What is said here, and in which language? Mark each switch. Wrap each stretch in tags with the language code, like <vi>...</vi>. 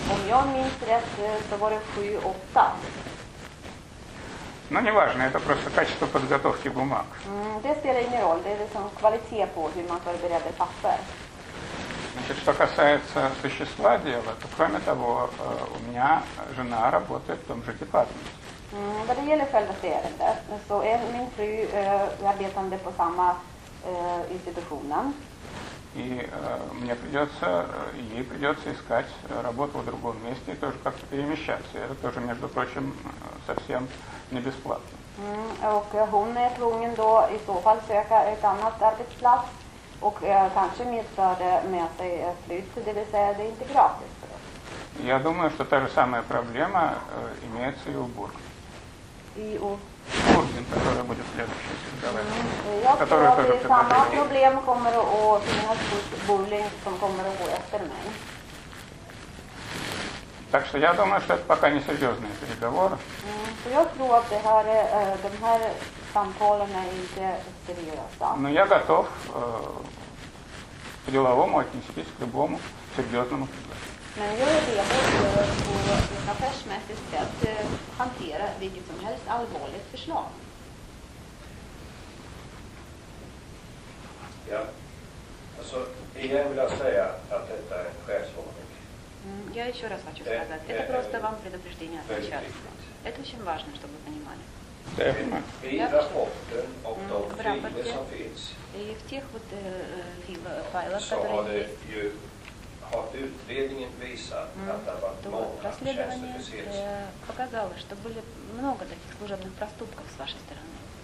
<sv>Om jag minns rätt så var det 7-8.</sv> <ru>Ну, не важно, это просто качество подготовки бумаг.</ru> <sv>Det spelar ingen roll, det är liksom kvalitet på hur man förbereder papper.</sv> <ru>Значит, что касается существа дела, то кроме того, у меня жена работает в том же департаменте.</ru> <sv>Vad det gäller själva ärendet, så är min fru arbetande på samma institutionen.</sv> <ru>И мне придется, ей придется искать работу в другом месте и тоже как-то перемещаться. Это тоже, между прочим, совсем не бесплатно.</ru> <sv>Och hon är tvungen då i så fall söka ett annat arbetsplats och kanske medföra med sig flytt, det vill säga det är inte gratis.</sv> <ru>Я думаю, что та же самая проблема имеется и у Бургин. И у Бургин, которая будет следующей создавать. Которая тоже предложила. Я думаю, что та же проблема будет у Бургин, которая будет следующей. Так что я думаю, что это пока не серьезные переговоры. Я думаю, что эти разговоры не серьезные. Но я готов по-деловому отнестись к любому серьезному предложению.</ru> <sv>Men jag är redo på ett affärsmässigt sätt att hantera vilket som helst allvarligt förslag. Ja, alltså igen vill jag säga att detta är en chefsordning. Jag</sv> <ru>еще раз хочу сказать, это просто вам предупреждение от начальства. Это очень важно, чтобы вы понимали.</ru> <sv>I rapporten och de filer som finns i tech</sv> <ru>вот</ru> <sv>filer,</sv> <ru>которые</ru> <sv>har utredningen visat att det var många tjänsteförseelser.</sv> <ru>Показало, что были много таких служебных проступков с вашей стороны.</ru>